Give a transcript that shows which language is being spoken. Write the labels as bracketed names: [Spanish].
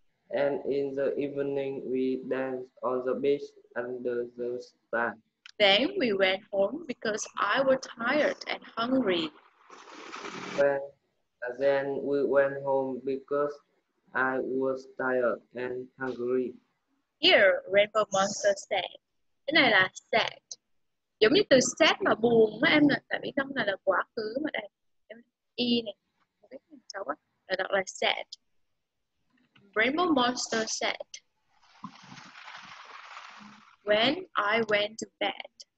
[English] And in the evening, we danced on the beach under the stars. Then we went home because I was tired and hungry. Then we went home because I was tired and hungry. Here, Rainbow Monster said. [Vietnamese] Cái này là said. Giống như từ sad mà buồn á em, tại vì trong này là quá khứ mà đây em y này, không biết mình cháu á, là đọc là sad. [English] Rainbow Monster said, when I went to bed.